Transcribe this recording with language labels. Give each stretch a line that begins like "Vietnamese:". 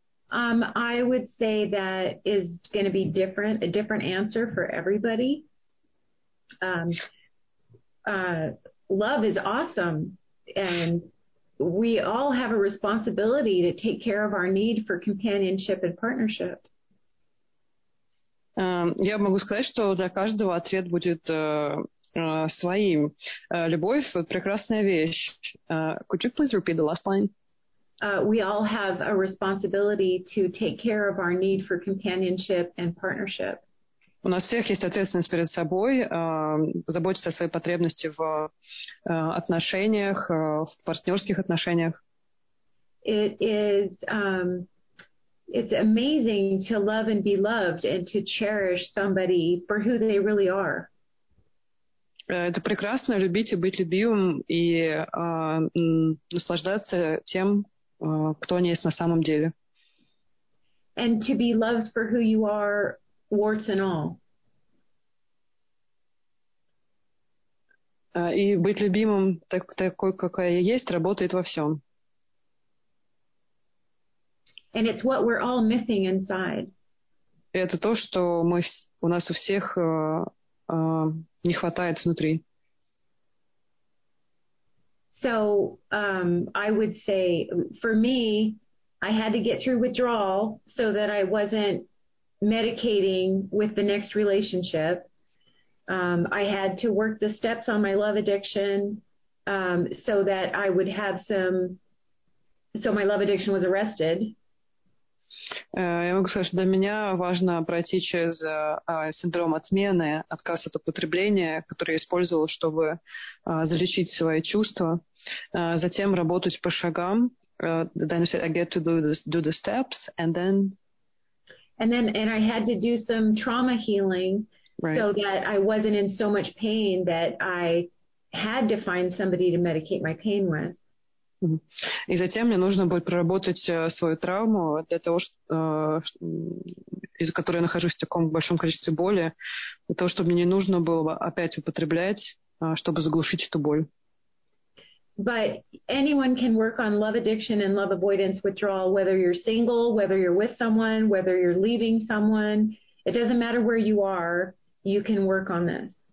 English: I would say that is going to be different, a different answer for everybody. Love is awesome. And we all have a responsibility to take care of our need for companionship and partnership.
Russian: Я могу сказать, что для каждого ответ будет своим. Любовь — прекрасная вещь.
English: Could you please repeat the last line? We all have a responsibility to take care of our need for companionship and partnership.
Russian: У нас всех есть ответственность перед собой, заботиться о своей потребности в отношениях, в партнерских отношениях.
English: It is it's amazing to love and be loved and to cherish somebody for who they really are.
Russian: Это прекрасно любить и быть любимым и наслаждаться тем, кто они есть на самом деле.
English: And to be loved for who you are, warts and all.
Russian: И быть любимым такой, какая я есть, работает во всем.
English: And it's what we're all missing inside.
Russian: Это то, что мы у нас у всех не хватает внутри.
English: So, I would say, for me, I had to get through withdrawal so that I wasn't medicating with the next relationship. I had to work the steps on my love addiction so that I would have some, so my love addiction was arrested.
Russian: Я могу сказать, что для меня важно пройти через синдром отмены, отказ от употребления, который я использовал, чтобы залечить свои чувства, затем работать по шагам.
English: Then you said, I get to do the steps, and then? And I had to do some trauma healing right. So that I wasn't in so much pain that I had to find somebody to medicate my pain with.
Russian: И затем мне нужно будет проработать свою травму для того, из-за которой я нахожусь в таком большом количестве боли, для того, чтобы мне не нужно было опять употреблять, чтобы заглушить эту боль.
English: But anyone can work on love addiction and love avoidance withdrawal, whether you're single, whether you're with someone, whether you're leaving someone. It doesn't matter where you are, you can work on this.